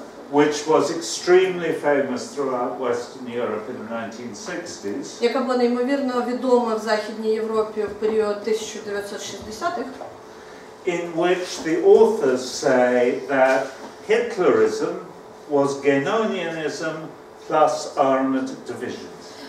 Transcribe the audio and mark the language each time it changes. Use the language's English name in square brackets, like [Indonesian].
[English] Which was extremely famous throughout Western Europe in the 1960s. [Ukrainian] Яка була неймовірно відома в Західній Європі в період 1960-х. [English] In which the authors say that Hitlerism was Genonianism plus armed divisions.